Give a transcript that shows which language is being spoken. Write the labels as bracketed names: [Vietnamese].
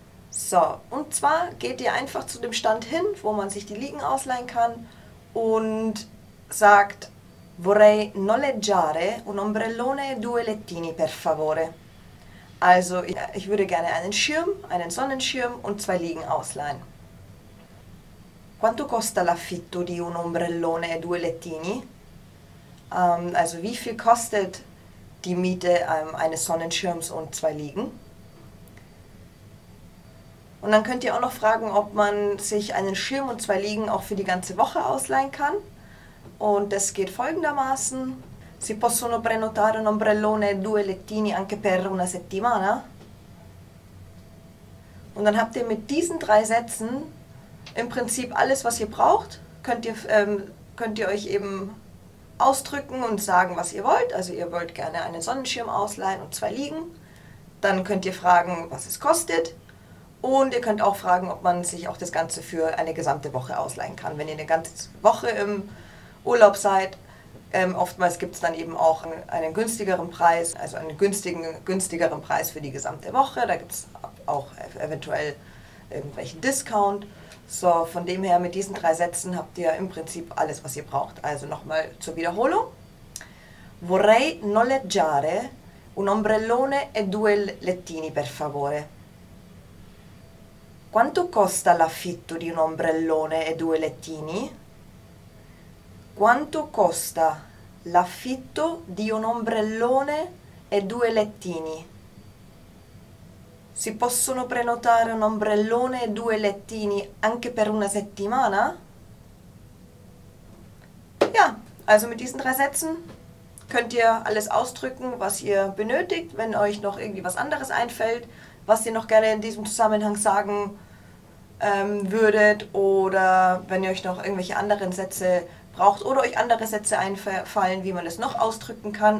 [German] So, und zwar geht ihr einfach zu dem Stand hin, wo man sich die Liegen ausleihen kann und sagt: [Italian] Vorrei noleggiare un ombrellone e due lettini, per favore. [German] Also, ich würde gerne einen Schirm, einen Sonnenschirm und zwei Liegen ausleihen. [Italian] Quanto costa l'affitto di un ombrellone e due lettini? [German] Also wie viel kostet die Miete eines Sonnenschirms und zwei Liegen? Und dann könnt ihr auch noch fragen, ob man sich einen Schirm und zwei Liegen auch für die ganze Woche ausleihen kann. Und das geht folgendermaßen: [Italian] Si possono prenotare un ombrellone e due lettini anche per una settimana? [German] Und dann habt ihr mit diesen drei Sätzen im Prinzip alles, was ihr braucht, könnt ihr euch eben ausdrücken und sagen, was ihr wollt. Also ihr wollt gerne einen Sonnenschirm ausleihen und zwei Liegen. Dann könnt ihr fragen, was es kostet. Und ihr könnt auch fragen, ob man sich auch das Ganze für eine gesamte Woche ausleihen kann. Wenn ihr eine ganze Woche im Urlaub seid, oftmals gibt es dann eben auch einen günstigeren Preis, also einen günstigeren Preis für die gesamte Woche. Da gibt es auch eventuell irgendwelchen Discount. So, von dem her, mit diesen drei Sätzen habt ihr im Prinzip alles, was ihr braucht. Also nochmal zur Wiederholung: [Italian] Vorrei noleggiare un ombrellone e due lettini, per favore. Quanto costa l'affitto di un ombrellone e due lettini? Quanto costa l'affitto di un ombrellone e due lettini? Si possono prenotare un ombrellone e due lettini anche per una settimana? [German] Ja, also mit diesen drei Sätzen könnt ihr alles ausdrücken, was ihr benötigt. Wenn euch noch irgendwie was anderes einfällt, was ihr noch gerne in diesem Zusammenhang sagen würdet, oder wenn ihr euch noch irgendwelche anderen Sätze braucht oder euch andere Sätze einfallen, wie man das noch ausdrücken kann.